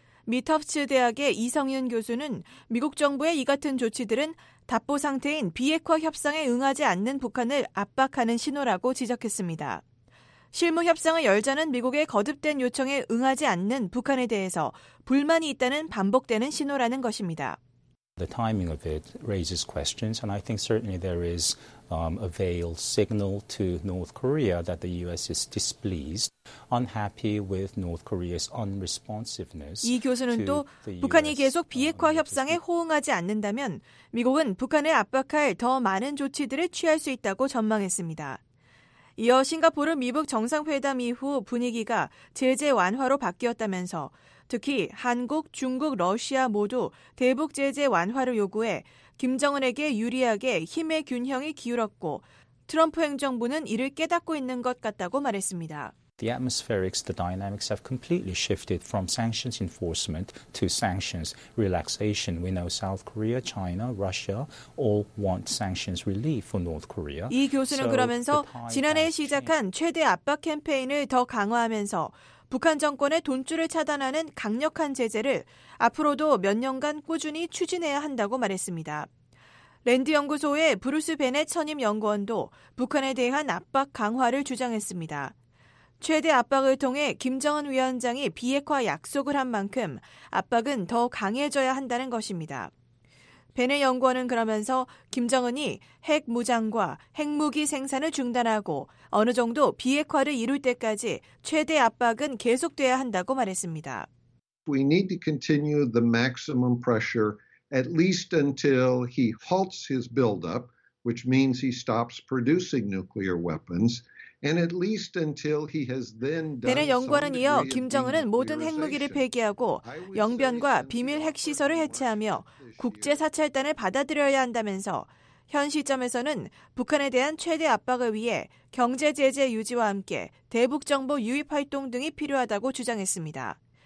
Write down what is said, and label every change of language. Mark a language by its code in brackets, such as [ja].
[ko] 미 터프츠 대학의 이성윤 교수는 미국 정부의 이 같은 조치들은 답보 상태인 비핵화 협상에 응하지 않는 북한을 압박하는 신호라고 지적했습니다. 실무 협상을 열자는 미국의 거듭된 요청에 응하지 않는 북한에 대해서 불만이 있다는 반복되는 신호라는 것입니다. [en] The timing of it raises questions, and I think certainly there is a veiled signal to North Korea that the U.S. is displeased, unhappy with North Korea's unresponsiveness. [ko] 이 교수는 또 북한이 계속 비핵화 협상에 호응하지 않는다면 미국은 북한을 압박할 더 많은 조치들을 취할 수 있다고 전망했습니다. 이어 싱가포르 미북 정상회담 이후 분위기가 제재 완화로 바뀌었다면서 특히 한국, 중국, 러시아 모두 대북 제재 완화를 요구해 김정은에게 유리하게 힘의 균형이 기울었고 트럼프 행정부는 이를 깨닫고 있는 것 같다고 말했습니다. [en] The atmospherics, the dynamics have completely shifted from sanctions enforcement to sanctions relaxation. We know South Korea, China, Russia all want sanctions relief for North Korea. [ko] 이 교수는 그러면서 지난해 시작한 최대 압박 캠페인을 더 강화하면서 북한 정권의 돈줄을 차단하는 강력한 제재를 앞으로도 몇 년간 꾸준히 추진해야 한다고 말했습니다. 랜드 연구소의 브루스 베넷 선임 연구원도 북한에 대한 압박 강화를 주장했습니다. 최대 압박을 통해 김정은 위원장이 비핵화 약속을 한 만큼 압박은 더 강해져야 한다는 것입니다. 베넷 연구원은 그러면서 김정은이 핵 무장과 핵무기 생산을 중단하고 어느 정도 비핵화를 이룰 때까지 최대 압박은 계속돼야 한다고 말했습니다. [en] We need to continue the maximum pressure at least until he halts his buildup, which means he stops producing nuclear weapons. And at least until he has then done. [ko] 베넷 연구원은 이어 김정은은 모든 핵무기를 폐기하고 영변과 비밀 핵시설을 해체하며 국제 사찰단을 받아들여야 한다면서 현 시점에서는 북한에 대한 최대 압박을 위해 경제 제재 유지와 함께 대북 정보 유입 활동 등이 필요하다고 주장했습니다.